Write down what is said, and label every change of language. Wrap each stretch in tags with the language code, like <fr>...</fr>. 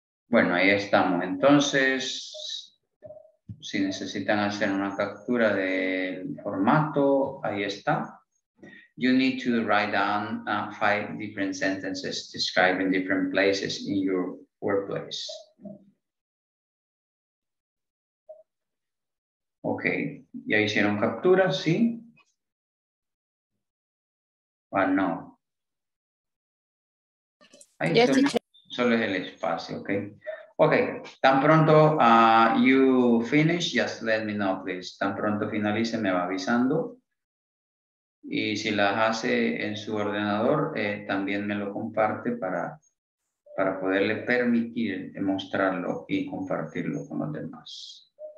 <es>Bueno, ahí estamos. Entonces, si necesitan hacer una captura del formato, ahí está.</es> <en>You need to write down five different sentences describing different places in your workplace.</en> <es>Okay. ¿Ya hicieron captura? ¿Sí?</es> <en>Well, no.</en> <es>Ahí yes, solo es el espacio, ok.</es> <en>Ok,</en> <es>tan pronto</es> <en>you finish, just let me know, please.</en> <es>Tan pronto finalice, me va avisando. Y si las hace en su ordenador, también me lo comparte para poderle permitir mostrarlo y compartirlo con los demás.</es>